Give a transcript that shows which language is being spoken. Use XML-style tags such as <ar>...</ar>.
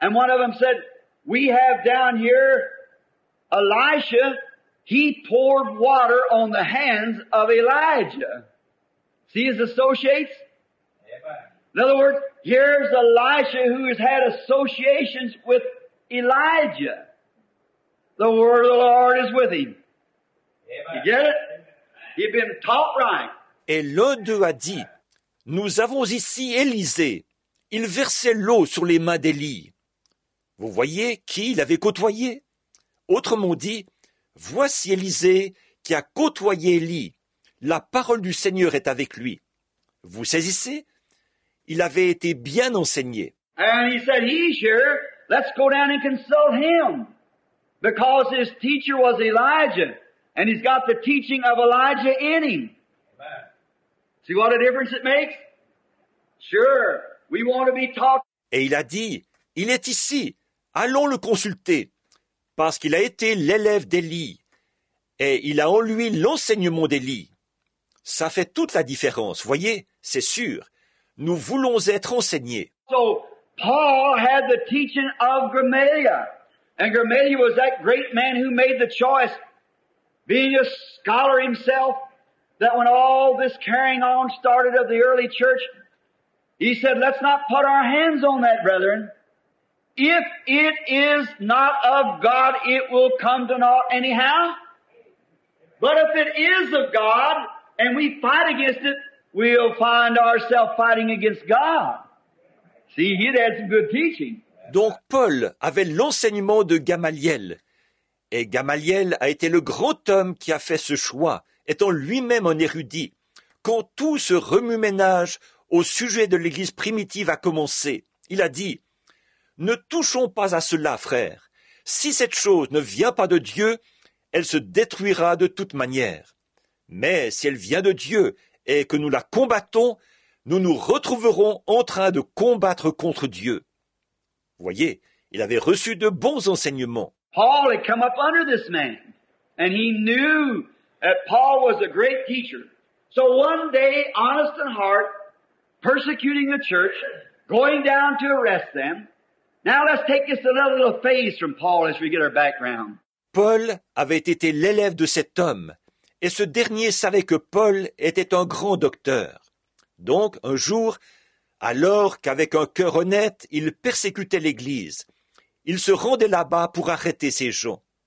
<en>And one of them said, « We have down here Elisha, he poured water on the hands of Elijah. See his associates ?» In other words, here's Elisha who has had associations with Elijah. The word of the Lord is with him. You get it? He'd been taught right.</en> <fr>Et l'un d'eux a dit, nous avons ici Élisée. Il versait l'eau sur les mains d'Élie. Vous voyez qui il avait côtoyé? Autrement dit, voici Élisée qui a côtoyé Élie. La parole du Seigneur est avec lui. Vous saisissez? Il avait été bien enseigné.</fr> <en>And he said, he's here. Let's go down and consult him. Because his teacher was Elijah. And he's got the teaching of Elijah in him. Amen. See what a difference it makes? Sure, we want to be taught.</en> <fr>Et il a dit, il est ici. Allons le consulter. Parce qu'il a été l'élève d'Élie. Et il a en lui l'enseignement d'Élie. Ça fait toute la différence, voyez, c'est sûr. Nous voulons être enseignés.</fr> <en>So, Paul had the teaching of Gamaliel. And Gamaliel was that great man who made the choice, being a scholar himself, that when all this carrying on started of the early church, he said, let's not put our hands on that, brethren. If it is not of God, it will come to naught anyhow. But if it is of God, and we fight against it, we'll find ourselves fighting against God. See, he had some good teaching.</en> <fr>Donc Paul avait l'enseignement de Gamaliel. Et Gamaliel a été le grand homme qui a fait ce choix, étant lui-même un érudit. Quand tout ce remue-ménage au sujet de l'Église primitive a commencé, il a dit, « Ne touchons pas à cela, frère. Si cette chose ne vient pas de Dieu, elle se détruira de toute manière. Mais si elle vient de Dieu et que nous la combattons, nous nous retrouverons en train de combattre contre Dieu. » Voyez, il avait reçu de bons enseignements.</fr> <en>Paul had come up under this man, and he knew that Paul was a great teacher. So one day, honest in heart, persecuting the church, going down to arrest them. Now let's take just a little phase from Paul as we get our background.</en> <fr>Paul avait été l'élève de cet homme, et ce dernier savait que Paul était un grand docteur. Donc, un jour, alors qu'avec un cœur honnête, il persécutait l'Église, il se rendait là-bas pour arrêter ces gens.</fr>